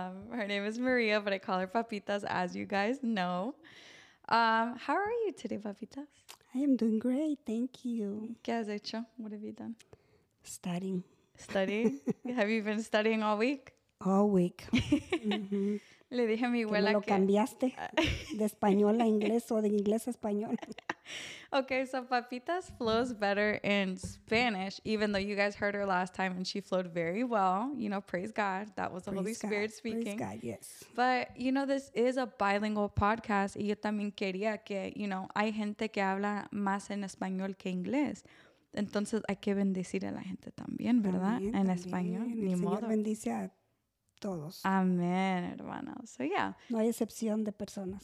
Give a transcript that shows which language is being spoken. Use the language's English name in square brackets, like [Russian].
[English] Her name is Maria, but I call her Papitas, as you guys know. How are you today, Papitas? I am doing great, thank you. [Spanish] ¿Qué has hecho? [English] What have you done? Studying. Studying? Have you been studying all week? All week. [Spanish] Le dije a mi abuela que... Me lo cambiaste de español a inglés o de inglés a español. [English] Okay, so Papitas flows better in Spanish, even though you guys heard her last time and she flowed very well. You know, praise God. That was the Holy Spirit speaking. Praise God, yes. But, you know, this is a bilingual podcast. [Spanish] Y yo también quería que, [English] you know, [Spanish] hay gente que habla más en español que inglés. Entonces, hay que bendecir a la gente también, ¿verdad? También. Español. El ni Señor modo. Bendice a todos. Amén, hermano. [English] So, yeah. [Spanish] No hay excepción de personas.